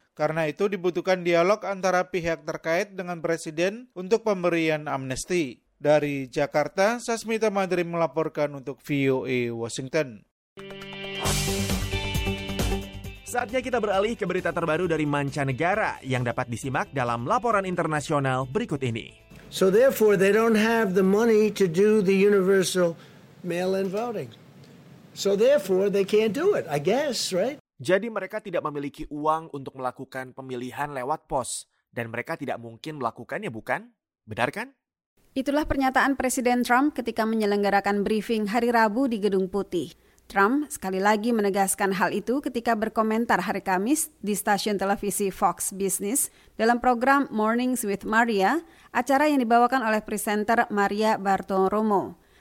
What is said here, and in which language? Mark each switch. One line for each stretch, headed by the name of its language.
Indonesian: Karena itu dibutuhkan dialog antara pihak terkait dengan Presiden untuk pemberian amnesti. Dari Jakarta, Sasmita Madri melaporkan untuk VOA Washington. Saatnya kita beralih ke berita terbaru dari mancanegara yang dapat disimak dalam laporan internasional berikut ini.
English: So therefore they don't have the money to do the universal mail-in voting. So therefore they can't do it, I guess, right?
Indonesian: Jadi mereka tidak memiliki uang untuk melakukan pemilihan lewat pos, dan mereka tidak mungkin melakukannya, bukan? Benar kan? Itulah pernyataan Presiden Trump ketika menyelenggarakan briefing hari Rabu di Gedung Putih. Trump sekali lagi menegaskan hal itu ketika berkomentar hari Kamis di stasiun televisi Fox Business dalam program Mornings with Maria, acara yang dibawakan oleh presenter Maria Bartiromo.